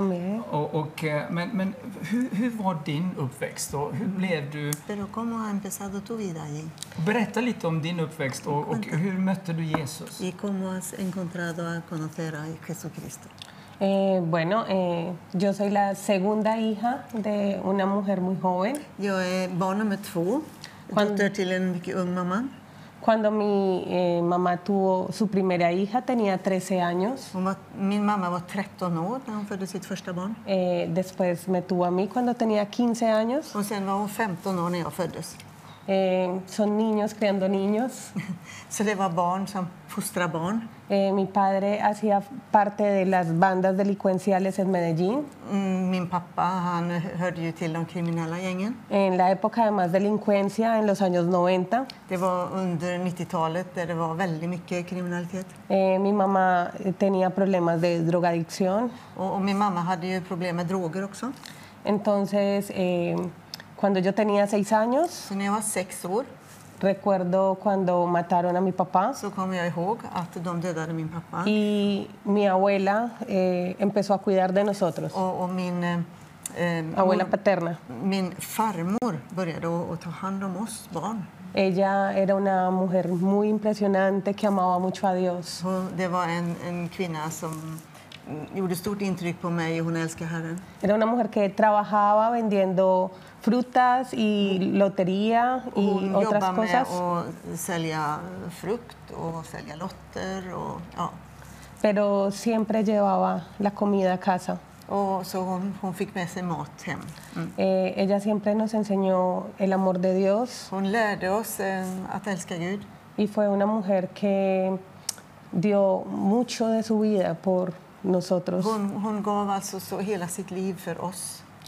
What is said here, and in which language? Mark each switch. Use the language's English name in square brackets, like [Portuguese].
[Swedish] Men hur var din uppväxt då? Hur blev du? [Spanish] Pero cómo ha empezado tu vida allí? [Swedish] Berätta lite om din uppväxt och hur mötte du Jesus? [Spanish] Y cómo has encontrado a conocer a Jesucristo? Bueno, yo soy la segunda hija de una mujer muy joven. Yo soy [Swedish] barn nummer två. Dotter till en mycket ung mamma. [Spanish] Cuando mi mamá tuvo su primera hija, tenía 13 años. [Swedish] Min mamma var 13 år när hon födde sitt första barn. [Spanish] Después me tuvo a mí cuando tenía 15 años. [Swedish] Och sen var hon 15 år när jag föddes. [Spanish] Son niños criando niños. Se leva bon, son frustra bon. Mi padre hacía parte de las bandas delincuenciales en Medellín. Mi papá, [Swedish] han hörde ju till de kriminella gängen. [Spanish] En la época de más delincuencia, en los años 90. [Swedish] Det var under 90-talet där det var väldigt mycket kriminalitet. [Spanish] Mi mamá tenía problemas de drogadicción. [Swedish] Och mi mamma hade ju problem med droger också. [Spanish] Entonces, cuando yo tenía 6 años, tenía 6 år, recuerdo cuando mataron a mi papá. [Swedish] Så kom jag ihåg att de dödade min pappa. [Spanish] Y mi abuela empezó a cuidar de nosotros. [Swedish] Och min [Spanish] abuela paterna. [Swedish] Min farmor började att ta hand om oss barn. [Spanish] Ella era una mujer muy impresionante que amaba mucho a Dios. [Swedish] Det var en kvinna som gjorde stort intryck på mig och hon älskade Herren. [Spanish] Era una mujer que trabajaba vendiendo frutas y lotería y otras cosas. [Swedish] Hon jobbade med att sälja frukt och sälja lotter och ja. [Spanish] Pero siempre llevaba la comida a casa. [Swedish] Och så hon fick med sig mat hem. Mm. [Spanish] Ella siempre nos enseñó el amor de Dios. [Swedish] Hon lärde oss att älska Gud. [Spanish] Y fue una mujer que dio mucho de su vida por nosotros. [Swedish] Hon gav alltså så hela sitt liv för oss.